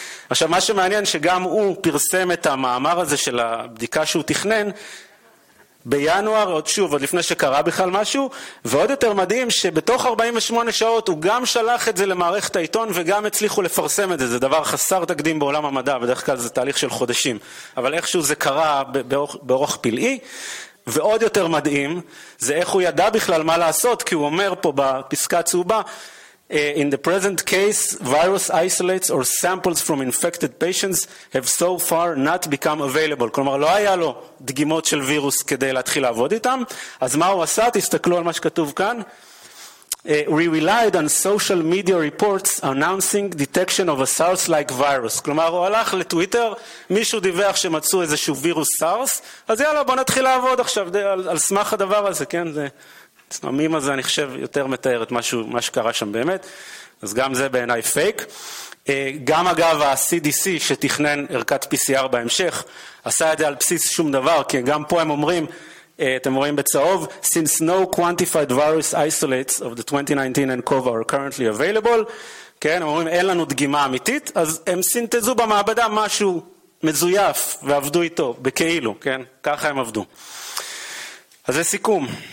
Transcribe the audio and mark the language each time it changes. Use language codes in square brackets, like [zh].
[he] עכשיו, מה שמעניין שגם הוא פרסם את המאמר הזה של הבדיקה שהוא תכנן, בינואר, עוד שוב, עוד לפני שקרה בכלל משהו, ועוד יותר מדהים שבתוך 48 שעות הוא גם שלח את זה למערכת העיתון וגם הצליחו לפרסם את זה. זה דבר חסר תקדים בעולם המדע, בדרך כלל זה תהליך של חודשים. אבל איכשהו זה קרה באורך פלאי. ועוד יותר מדהים זה איך הוא ידע בכלל מה לעשות, כי הוא אומר פה בפסקה הצהובה, [en] In the present case, virus isolates or samples from infected patients have so far not become available. [he] כלומר, לא היה לו דגימות של וירוס כדי להתחיל לעבוד איתם. אז מה הוא עשה? תסתכלו על מה שכתוב כאן. [en] We relied on social media reports announcing detection of a SARS-like virus. [he] כלומר, הוא הלך לטוויטר, מישהו דיווח שמצאו איזשהו וירוס SARS, אז יאללה, בוא נתחיל לעבוד עכשיו על סמך הדבר הזה, כן? זה... המים הזה אני חושב יותר מתאר את משהו, מה שקרה שם באמת, אז גם זה בעיניי פייק. גם אגב ה-CDC שתכנן ערכת PCR בהמשך, עשה את זה על בסיס שום דבר, כי גם פה הם אומרים, אתם רואים בצהוב, [en] since no quantified virus isolates of the 2019 nCoV are currently available, [he] כן, הם אומרים אין לנו דגימה אמיתית, אז הם סינתזו במעבדה משהו מזויף ועבדו איתו, בכאילו, כן, ככה הם עבדו. אז זה סיכום.